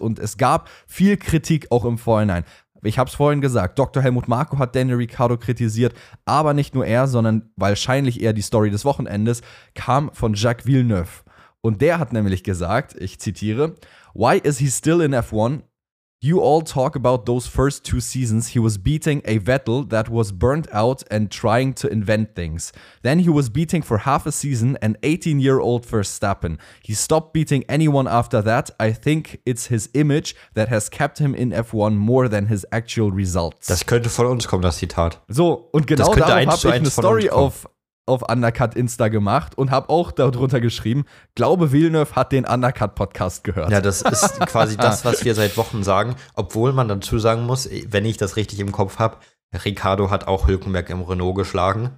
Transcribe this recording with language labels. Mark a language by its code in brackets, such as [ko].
[de] Und es gab viel Kritik auch im Vorhinein. Ich habe es vorhin gesagt, Dr. Helmut Marko hat Daniel Ricciardo kritisiert. Aber nicht nur er, sondern wahrscheinlich eher die Story des Wochenendes, kam von Jacques Villeneuve. Und der hat nämlich gesagt, ich zitiere, [en] "Why is he still in F1? You all talk about those first two seasons he was beating a Vettel that was burnt out and trying to invent things. Then he was beating for half a season an 18-year-old Verstappen. He stopped beating anyone after that. I think it's his image that has kept him in F1 more than his actual results." [de] Das könnte von uns kommen, das Zitat. So, und genau darum habe ich eine Story auf Undercut Insta gemacht und habe auch darunter geschrieben, glaube Villeneuve hat den Undercut Podcast gehört. Ja, das ist quasi das, was wir seit Wochen sagen, obwohl man dazu sagen muss, wenn ich das richtig im Kopf habe, Ricciardo hat auch Hülkenberg im Renault geschlagen.